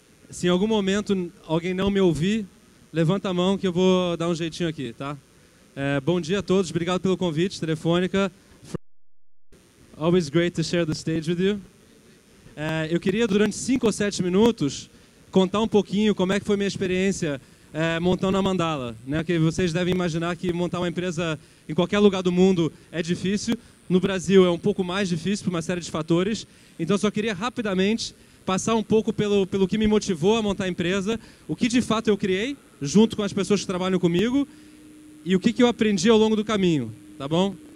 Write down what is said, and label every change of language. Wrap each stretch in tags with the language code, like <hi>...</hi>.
<pt>Se em algum momento alguém não me ouvir, levanta a mão que eu vou dar um jeitinho aqui, tá? Bom dia a todos, obrigado pelo convite, Telefônica.</pt> <en>Always great to share the stage with you.</en> <pt>Eu queria, durante 5 ou 7 minutos, contar um pouquinho como é que foi minha experiência montando a Mandala, né? Que vocês devem imaginar que montar uma empresa em qualquer lugar do mundo é difícil. No Brasil é um pouco mais difícil por uma série de fatores. Então, só queria rapidamente passar um pouco pelo que me motivou a montar a empresa, o que de fato eu criei, junto com as pessoas que trabalham comigo, e o que eu aprendi ao longo do caminho, tá bom?</pt>